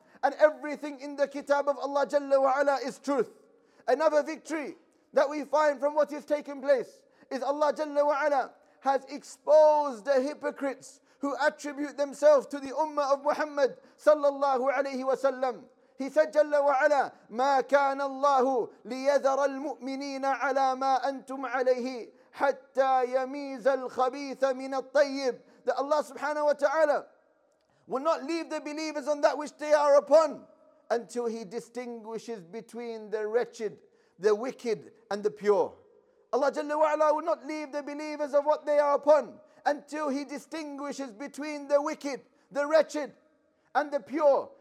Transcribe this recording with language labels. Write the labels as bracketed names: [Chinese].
[English] And everything in the kitab of Allah Jalla wa Ala is truth. Another victory that we find from what is taking place is Allah Jalla wa Ala has exposed the hypocrites who attribute themselves to the ummah of Muhammad sallallahu alayhi wa sallam. He said [Arabic] Jalla wa Ala, مَا كَانَ اللَّهُ لِيَذَرَ الْمُؤْمِنِينَ عَلَى مَا أَنْتُمْ عَلَيْهِ حَتَّى يَمِيزَ الْخَبِيثَ مِنَ الطَّيِّبِ. [English] That Allah subhanahu wa ta'ala will not leave the believers on that which they are upon until He distinguishes between the wretched, the wicked, and the pure. Allah Jalla wa Ala will not leave the believers of what they are upon until He distinguishes between the wicked, the wretched, and the pure.